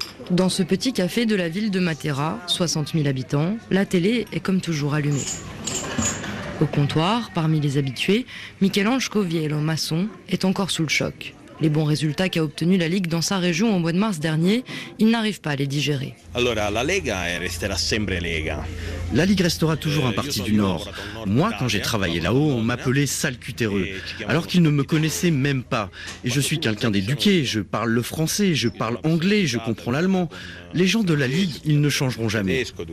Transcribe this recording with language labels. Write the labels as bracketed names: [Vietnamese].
[French] Dans ce petit café de la ville de Matera, 60 000 habitants, la télé est comme toujours allumée. Au comptoir, parmi les habitués, Michel-Ange Coviello, maçon, est encore sous le choc. Les bons résultats qu'a obtenus la Ligue dans sa région au mois de mars dernier, il n'arrive pas à les digérer. [Italian] Allora, la Lega resterà sempre Lega. [French] La Ligue restera toujours un parti du Nord. Moi, quand j'ai travaillé là-haut, on m'appelait sale cutéreux, alors qu'ils ne me connaissaient même pas. Et je suis quelqu'un d'éduqué, je parle le français, je parle anglais, je comprends l'allemand. Les gens de la Ligue, ils ne changeront jamais.